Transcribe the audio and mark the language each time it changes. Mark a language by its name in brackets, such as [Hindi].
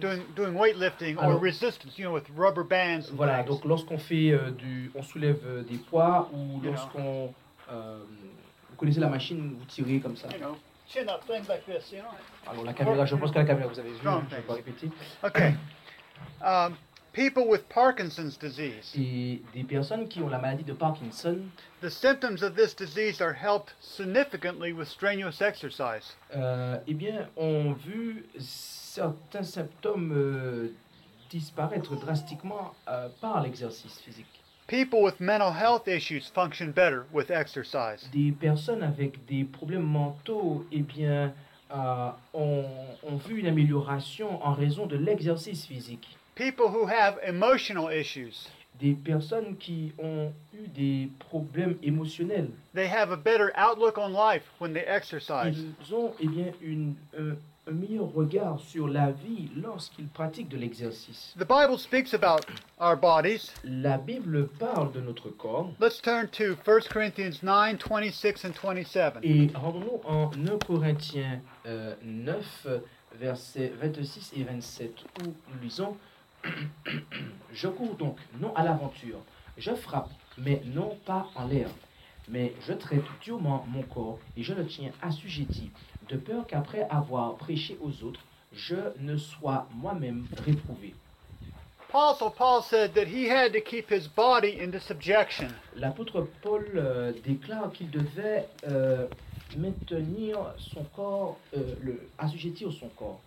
[English] Doing weightlifting or resistance, you know, with rubber bands. And [French] voilà, [English] bands. [French] Donc lorsqu'on fait on soulève des poids ou lorsqu'on vous connaissez la machine, vous tirez comme ça. [English] You know, chin up, things like this, you know. [French] Alors la caméra, je pense que la caméra vous avez vu, je vais pas répéter. [English] Okay. People with Parkinson's disease. [French] Et des personnes qui ont la maladie de Parkinson. [English] The symptoms of this disease are helped significantly with strenuous exercise. [French] Eh bien, on a vu certains symptômes disparaître drastiquement par l'exercice physique. [English] People with mental health issues function better with exercise. [French] Des personnes avec des problèmes mentaux, eh bien, ont vu une amélioration en raison de l'exercice physique. [English] People who have emotional issues. [French] Des personnes qui ont eu des problèmes émotionnels. [English] They have a better outlook on life when they exercise. [French] Ils ont, eh bien, un meilleur regard sur la vie lorsqu'ils pratiquent de l'exercice. [English] The Bible speaks about our bodies. [French] La Bible parle de notre corps. [English] Let's turn to 1 Corinthians 9, 26 and 27. [French] Et rendons-nous en 1 Corinthiens 9, versets 26 et 27, où nous lisons. Je cours donc, non à l'aventure. Je frappe, mais non pas en l'air. Mais je traite durement mon corps et je le tiens assujetti, de peur qu'après avoir prêché aux autres, je ne sois moi-même réprouvé. [English] Paul said that he had to keep his body into subjection. [French] L'apôtre Paul déclare qu'il devait maintenir son corps, assujettir son corps.